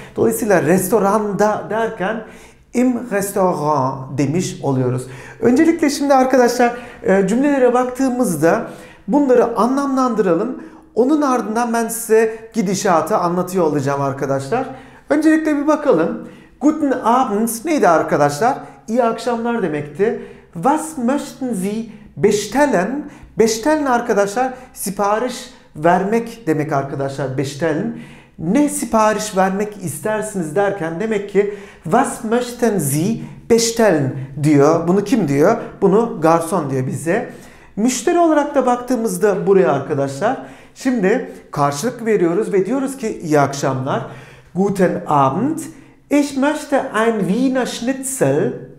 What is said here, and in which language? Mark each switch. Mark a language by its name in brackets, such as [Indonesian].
[Turkish] Dolayısıyla restoranda derken [German] im Restaurant [Turkish] demiş oluyoruz. Öncelikle şimdi arkadaşlar cümlelere baktığımızda bunları anlamlandıralım. Onun ardından ben size gidişatı anlatıyor olacağım arkadaşlar. Öncelikle bir bakalım. [German] Guten Abend [Turkish] neydi arkadaşlar? İyi akşamlar demekti. [German] Was möchten Sie bestellen? [Turkish] Bestellen arkadaşlar sipariş vermek demek arkadaşlar. Bestellen. Ne sipariş vermek istersiniz derken demek ki [German] Was möchten Sie bestellen [Turkish] diyor. Bunu kim diyor? Bunu garson diyor bize. Müşteri olarak da baktığımızda buraya arkadaşlar. Şimdi karşılık veriyoruz ve diyoruz ki iyi akşamlar. [German] Guten Abend. Ich möchte ein Wiener Schnitzel.